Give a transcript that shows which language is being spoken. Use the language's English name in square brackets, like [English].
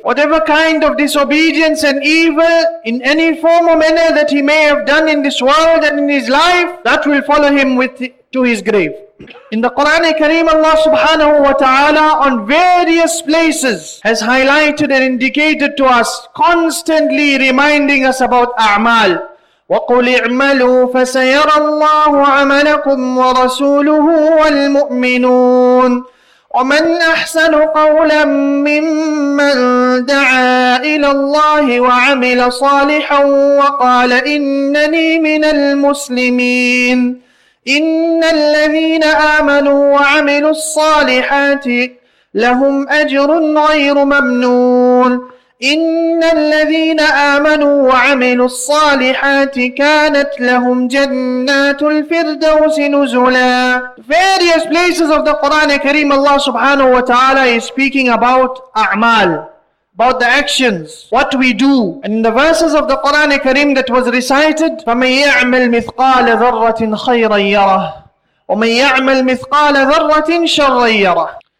[English] Whatever kind of disobedience and evil in any form or manner that he may have done in this world and in his life, that will follow him to his grave. In the Quran Kareem, Allah subhanahu wa ta'ala on various places has highlighted and indicated to us, constantly reminding us about a'mal. [Arabic] وَقُلِ اعْمَلُوا فَسَيَرَى اللَّهُ عَمَلَكُمْ وَرَسُولُهُ وَالْمُؤْمِنُونَ وَمَنْ أَحْسَنُ قَوْلًا مِّمَّنْ دَعَا إِلَى اللَّهِ وَعَمِلَ صَالِحًا وَقَالَ إِنَّنِي مِنَ الْمُسْلِمِينَ إن الذين آمنوا وعملوا الصالحات لهم أجر غير ممنون إن الذين آمنوا وعملوا الصالحات كانت لهم جنات الفردوس نزلا. [English] Various places of the Quran Kareem, Allah subhanahu wa ta'ala is speaking about a'mal, about the actions, what we do. And in the verses of the Quran Kareem that was recited, [Arabic] فَمَنْ يَعْمَلْ مِثْقَالَ ذَرَّةٍ خَيْرًا يَرَهُ وَمَنْ يَعْمَلْ مِثْقَالَ ذَرَّةٍ شَرًّا يَرَهُ.